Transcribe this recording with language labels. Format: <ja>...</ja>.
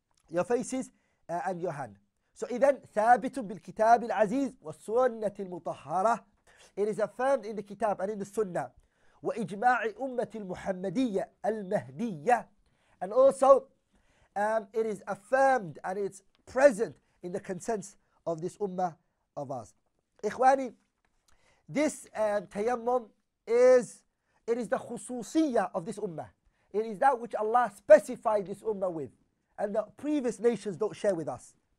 <en>Your faces and your hand.</en> <ar>So إذن ثابت بالكتاب العزيز والسنة المطهرة.</ar> <en>It is affirmed in the kitab and in the sunnah.</en> <ar>وإجماع أمة المحمدية المهدية.</ar> <en>And also it is affirmed and it's present in the consents of this ummah of ours. إخواني, this tayammum is the khususiyah of this ummah. It is that which Allah specified this ummah with, and the previous nations don't share with us.</en>